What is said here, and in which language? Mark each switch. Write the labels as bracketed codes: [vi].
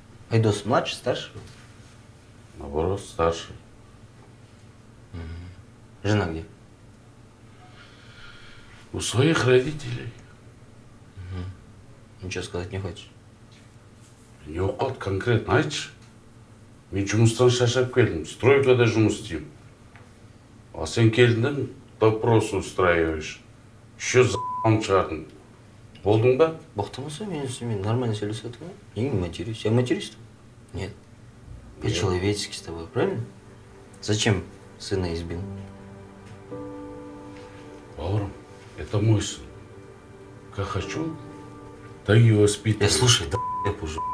[ru] Айдос младше, старше? Наоборот, старше. Жена где? У своих родителей. Ничего сказать не хочешь? Не уход конкретно, знаешь? Мы [kk] жұмыстан шашап келдім, стройкада жұмыс істеймін. А сен келдің, [ru] допрос устраиваешь. Еще [kk] за**ым шығардың. Болдың ба? Бақтамаса, мен нормально сөйлесетім. [ru] Я не матерюсь. Я матерюсь? Нет. По-человечески с тобой, правильно? Зачем сына избил? Бауырым, это мой сын. Как хочу, так и воспитываю. Я слушай, да**ып уже.